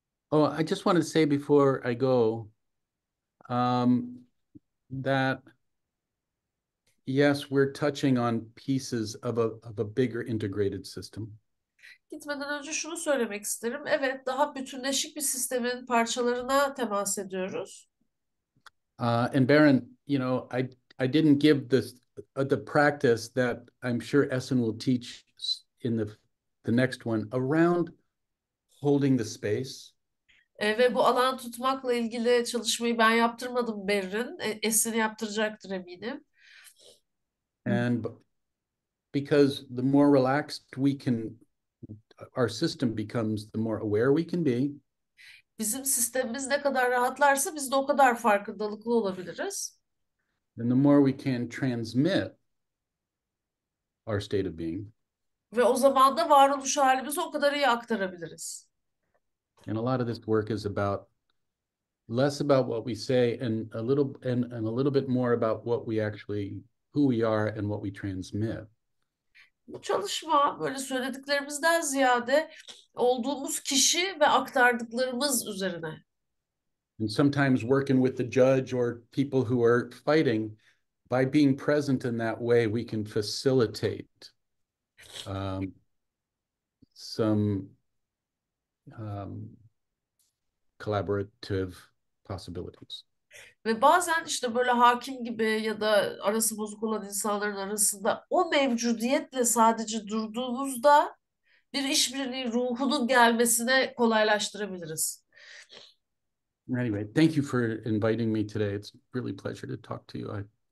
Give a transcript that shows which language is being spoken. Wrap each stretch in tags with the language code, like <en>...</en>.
<en>Oh, I just wanted to say before I go that yes, we're touching on pieces of a bigger integrated system.</en> <tr>Gitmeden önce şunu söylemek isterim. Evet, daha bütünleşik bir sistemin parçalarına temas ediyoruz.</tr> <en>And Baron, you know, I didn't give the practice that I'm sure Essen will teach in the next one around holding the space.</en> <tr>Ve bu alan tutmakla ilgili çalışmayı ben yaptırmadım Berin. Essen yaptıracaktır eminim.</tr> <en>And because the more relaxed we can, our system becomes the more aware we can be.</en> <tr>Bizim sistemimiz ne kadar rahatlarsa biz de o kadar farkındalıklı olabiliriz.</tr> <en>And the more we can transmit our state of being.</en> <tr>Ve o zaman da varoluş halimizi o kadar iyi aktarabiliriz.</tr> <en>And a lot of this work is about less about what we say and a little bit more about what we actually who we are and what we transmit.</en> <tr>Bu çalışma böyle söylediklerimizden ziyade olduğumuz kişi ve aktardıklarımız üzerine.</tr> <en>And sometimes working with the judge or people who are fighting, by being present in that way, we can facilitate some collaborative possibilities.</en> <tr>Ve bazen işte böyle hakim gibi ya da arası bozuk olan insanların arasında o mevcudiyetle sadece durduğumuzda bir işbirliği ruhunun gelmesine kolaylaştırabiliriz.</tr> <en>Anyway, thank you for inviting me today. It's really a pleasure to talk to you.</en>